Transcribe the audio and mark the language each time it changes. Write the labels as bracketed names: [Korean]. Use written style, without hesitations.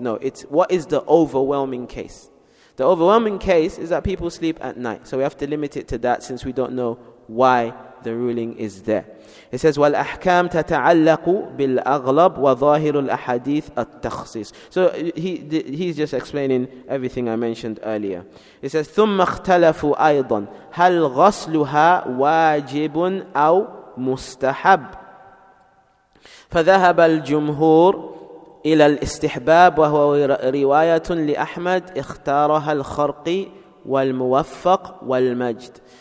[English] No, it's what is the overwhelming case? The overwhelming case is that people sleep at night. So we have to limit it to that since we don't know why the ruling is there. It says, [Arabic] وَالْأَحْكَامْ تَتَعَلَّقُ بِالْأَغْلَبْ وَظَاهِرُ الْأَحَدِيثِ التَّخْصِيصِ. [English] So he's just explaining everything I mentioned earlier. It says, [Arabic] ثُمَّ اخْتَلَفُوا أَيْضًا هَلْ غَسْلُهَا وَاجِبٌ أَوْ مُسْتَحَبٌ فَذَهَبَ الْجُمْهُورُ إِلَى الْإِسْتِحْبَابِ وَهُوَ رِوَايَةٌ لِأَحْمَدٍ اِخْتَارَهَا الْخَرْقِي وَالْمُوَفَّقِ وَالْمَجْدِ.